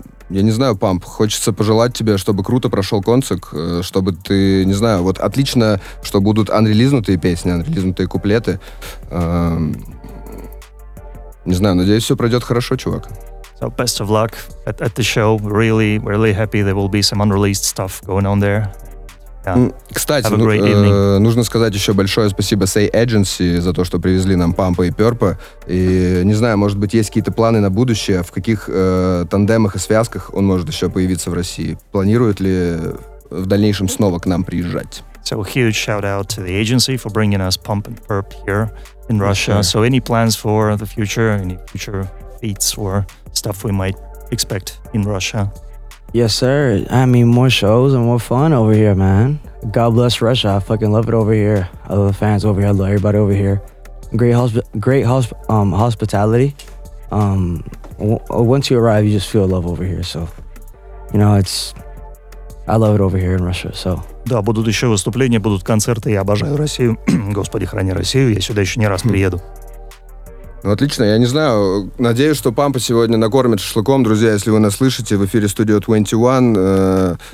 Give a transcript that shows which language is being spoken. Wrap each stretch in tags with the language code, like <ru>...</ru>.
<ru>Я не знаю, Памп, хочется пожелать тебе, чтобы круто прошел концерт, чтобы ты, не знаю, вот отлично, что будут анрелизнутые песни, анрелизнутые куплеты. Не знаю, надеюсь, все пройдет хорошо, чувак.</ru> <en>So best of luck at the show. Really, really happy there will be some unreleased stuff going on there. Yeah.</en> <ru>Кстати, нужно сказать еще большое спасибо Say Agency за то, что привезли нам Пампа и Перпа. И не знаю, может быть, есть какие-то планы на будущее, в каких тандемах и связках он может еще появиться в России. Планирует ли в дальнейшем снова к нам приезжать?</ru> <en>So a huge shout out to the agency for bringing us Pump and Perp here in Russia. Sure. So any plans for the future, any future feats or stuff we might expect in Russia? Yes, sir. I mean, more shows and more fun over here, man. God bless Russia. I fucking love it over here. I love the fans over here. I love everybody over here. Great hospitality. Once you arrive, you just feel love over here. So, you know, it's... I love it over here in Russia, so...</en> <ru>Да, будут еще выступления, будут концерты. Я обожаю Россию. Господи, храни Россию. Я сюда еще не раз приеду. Ну, отлично. Я не знаю. Надеюсь, что Пампа сегодня накормит шашлыком. Друзья, если вы нас слышите, в эфире Studio 21.</ru>